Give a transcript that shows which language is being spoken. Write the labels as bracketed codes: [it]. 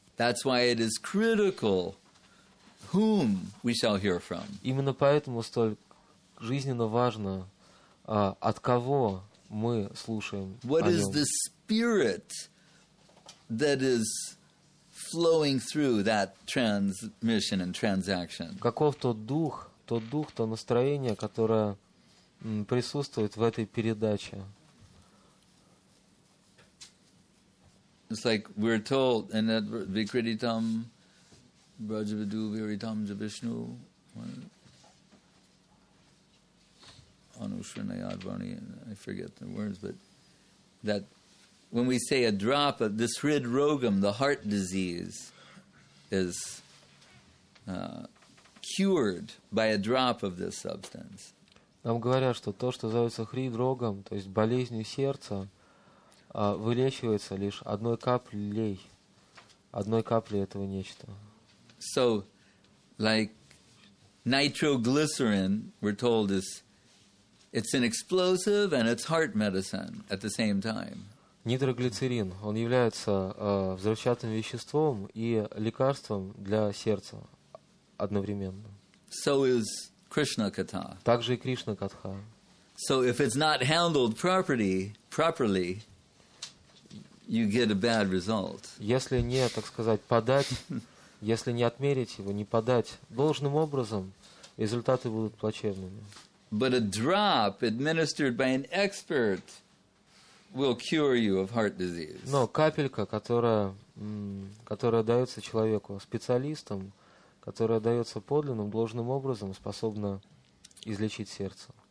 [en] That's why it is critical whom we shall hear from. [ru] Именно поэтому столь жизненно важно, от кого мы слушаем. [en] What is the spirit that is flowing through that transmission and transaction? [ru] Каков тот дух, то настроение, которое присутствует в этой передаче? [en] It's like we're told in [sa] Advikritam Brajavidu Viritam Javishnu Anushranayadvani, [en] I forget the words, but that when we say a drop of this Hrid Rogam, the heart disease, is cured by a drop of this substance. [ru] Нам говорят, что то, что называется Хрид Рогам, то есть болезнью сердца, вылечивается лишь одной капли этого нечто. [en] So, like nitroglycerin, we're told it's an explosive and it's heart medicine at the same time. [ru] Нитроглицерин, он является взрывчатым веществом и лекарством для сердца одновременно. [en] So is Krishna Katha. [ru] Также и Кришна Катха. [en] So if it's not handled properly, you get a bad result. [ru] Если не, так сказать, если не отмерить его, не подать должным образом, результаты будут плачевными. [en] But a drop administered by an expert will cure you of heart disease. [ru] Но капелька, которая дается человеку специалистом, которая дается подлинным должным образом, способна излечить сердце.